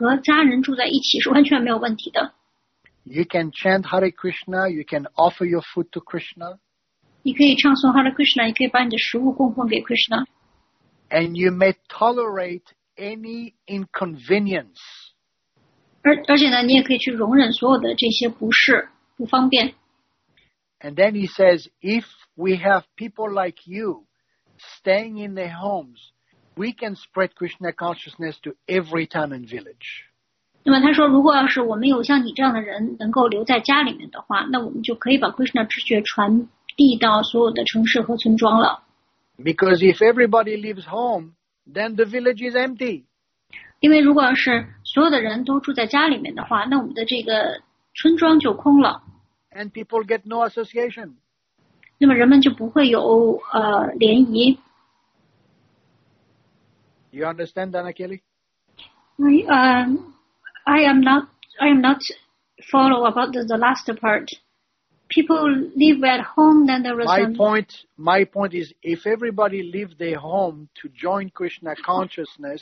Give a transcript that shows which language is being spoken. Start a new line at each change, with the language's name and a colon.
Chinese: 那么十二爸爸就说呢,你和家人住在一起是完全没有问题的。
English: You can chant Hare Krishna, you can offer your food to Krishna.
Chinese: 你可以唱诵 Hare Krishna, 你可以把你的食物供奉给 Krishna.
English: And you may tolerate any inconvenience.
Chinese: 而且呢,你也可以去容忍所有的这些不适,不方便。
English: And then he says, if we have people like you staying in their homes, we can spread Krishna consciousness to every town and village.
Chinese: 那么他说如果要是我们有像你这样的人能够留在家里面的话, 那我们就可以把 Krishna 知觉传递到所有的城市和村庄了。
English: Because if everybody leaves home, then the village is empty.
Chinese: 因为如果要是所有的人都住在家里面的话, 那我们的这个村庄就空了。
English: And people get no association.
Chinese: 那么人们就不会有联谊。
English: You understand, Dana Kelly? I am not I am not follow about the last part. People live at home, then there was My point is, if everybody leave their home to join Krishna consciousness.